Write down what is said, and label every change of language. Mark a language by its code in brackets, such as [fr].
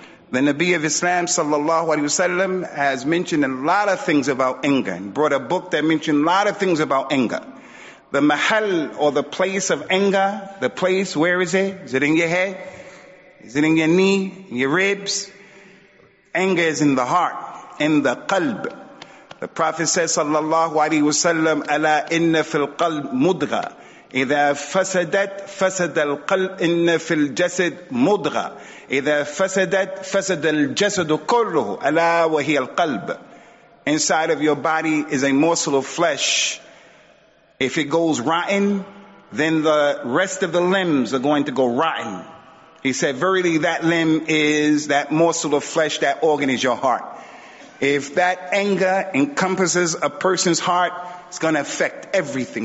[en] The Nabi of Islam sallallahu alayhi wa sallam has mentioned a lot of things about anger and brought a book that mentioned a lot of things about anger. The mahal, or the place of anger, the place, where is it? Is it in your head? Is it in your knee, in your ribs? Anger is in the heart, in the qalb. The Prophet says sallallahu alayhi wa sallam, [ar] ala inna fil qalb mudgha. إذا فسدت فسد القلب إن في الجسد مضغة إذا فسدت فسد الجسد كله ألا وهي القلب. [en] Inside of your body is a morsel of flesh. If it goes rotten, then the rest of the limbs are going to go rotten. He said, verily that limb is that morsel of flesh, that organ is your heart. If that anger encompasses a person's heart, it's going to affect everything.